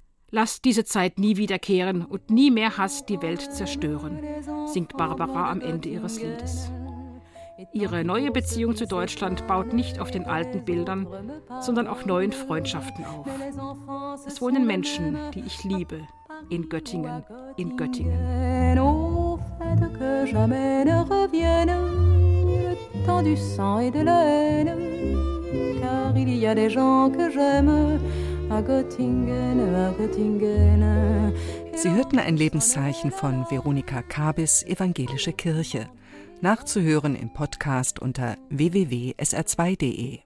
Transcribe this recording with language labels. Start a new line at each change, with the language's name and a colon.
German: Lasst diese Zeit nie wiederkehren und nie mehr Hass die Welt zerstören, singt Barbara am Ende ihres Liedes. Ihre neue Beziehung zu Deutschland baut nicht auf den alten Bildern, sondern auf neuen Freundschaften auf. Es wohnen Menschen, die ich liebe, in Göttingen, in Göttingen.
French: Que jamais ne revienne le temps du sang et de la haine, car il y a des gens que j'aime à Göttingen, à Göttingen.
German: Sie hörten ein Lebenszeichen von Veronika Kabis, Evangelische Kirche. Nachzuhören im Podcast unter www.sr2.de.